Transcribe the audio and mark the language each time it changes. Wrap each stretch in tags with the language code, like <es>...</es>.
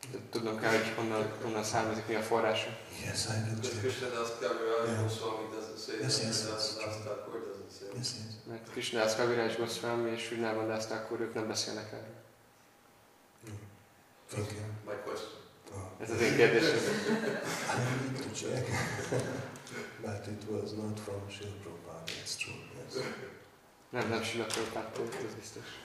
<hu>Tudnom kell, hogy honnan származik, mi a forrása.</hu> <en>Yes, I do. Because Krishnadas Kaviraj Goswami doesn't say that, Krishnadas Das Thakur doesn't say that. Yes, yes.</en> <hu>Mert Krishnadas Kaviraj Goswami és Vrindavan Das Thakur, ők nem beszélnek erről.</hu> <en>Thank you. My question.</en> <hu>Ez az én kérdésem.</hu> <en>I need to check. But it was not from Srila Prabhupada, it's true, yes.</en> <hu>Nem Srila Prabhupada, ez biztos.</hu>